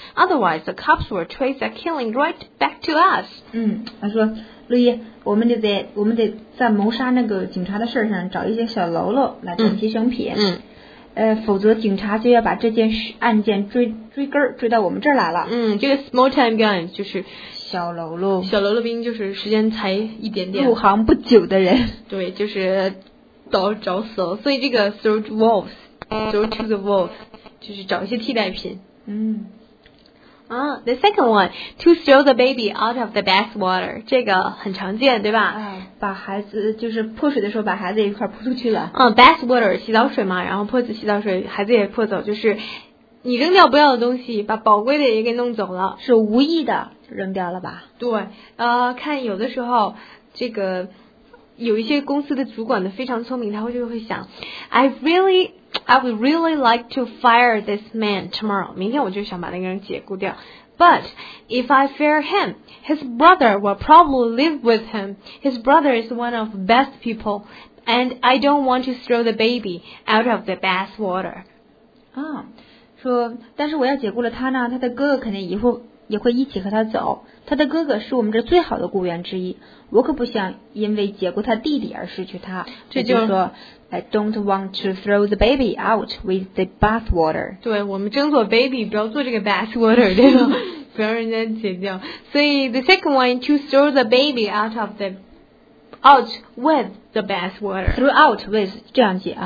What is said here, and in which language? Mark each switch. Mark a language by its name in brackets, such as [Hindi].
[English] Otherwise, the cops will trace that killing right back to us. [Chinese] 他说，路易，我们得在谋杀那个警察的事上找一些小喽啰来当牺牲品。否则警察就要把这件案件追根到我们这儿来了。这个 [English] small time gun [Chinese] 就是小喽啰，小喽啰兵就是时间才一点点，入行不久的人。对，就是都找死了。所以这个 [English] throw to the wolves。 [Chinese] 就是找一些替代品。 [English] The second one, to throw the baby out of the bath water. [Chinese] 这个很常见，对吧？把孩子就是泼水的时候把孩子一块泼出去了。 Bath water, 洗澡水嘛，然后泼子洗澡水，孩子也泼走，就是你扔掉不要的东西，把宝贵的也给弄走了。是无意的扔掉了吧？对，看有的时候这个有一些公司的主管的非常聪明，他会就会想 [English] I would really like to fire this man tomorrow. [Chinese] 明天我就想把那个人解雇掉。 [English] But if I fire him, his brother will probably live with him. His brother is one of the best people, and I don't want to throw the baby out of the bath water. [Chinese] 说，但是我要解雇了他呢，他的哥哥肯定以后也会一起和他走。他的哥哥是我们这最好的雇员之一，我可不想因为解雇他弟弟而失去他。这就是说 [English] I don't want to throw the baby out with the bath water。 [Chinese] 对，我们争做 baby 不要做这个 bath water， 对吧？不要让人家剪掉。 [English] 所以 the second one, to throw the baby out of the, out with the bath water. Throw out with, [Chinese] 这样记啊。